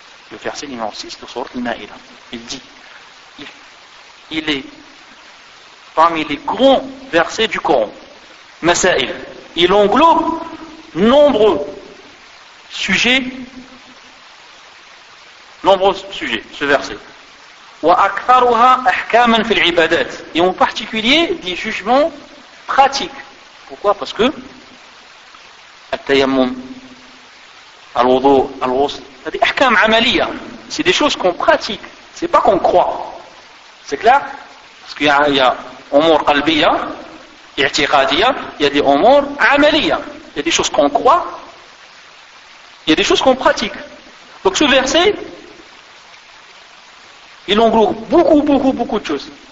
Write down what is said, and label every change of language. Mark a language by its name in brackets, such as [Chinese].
[French] Le verset numéro 6 de sourate Al-Ma'ida, il dit, il est parmi les grands versets du Coran, Masail. Il englobe nombreux sujets, ce verset. [Arabic] وَأَكْثَرُهَا أَحْكَامًا فِي الْعِبَادَاتِ. [French] Et en particulier, des jugements pratiques. Pourquoi? Parce que [Arabic] التيمم الوضوء الغسل هذه أحكام عملية. [French] C'est des choses qu'on pratique. C'est pas qu'on croit. C'est clair? Parce qu'il y a [Arabic] أمور قلبية اعتقادية. [French] Il y a des [Arabic] أمور عملية. [French] Il y a des choses qu'on croit. Il y a des choses qu'on pratique. Donc ce verset, il englobe beaucoup, beaucoup, beaucoup de choses.